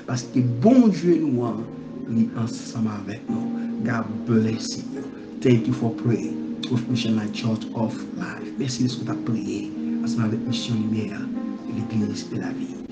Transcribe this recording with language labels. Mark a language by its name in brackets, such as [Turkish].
[French] Parce que bon Dieu nous a mis ensemble avec nous. [English] God bless you. Thank you for praying with Mission Light Church of Life. [French] Merci de ce que tu as prié ensemble avec Mission Lumière, l'Église et la vie.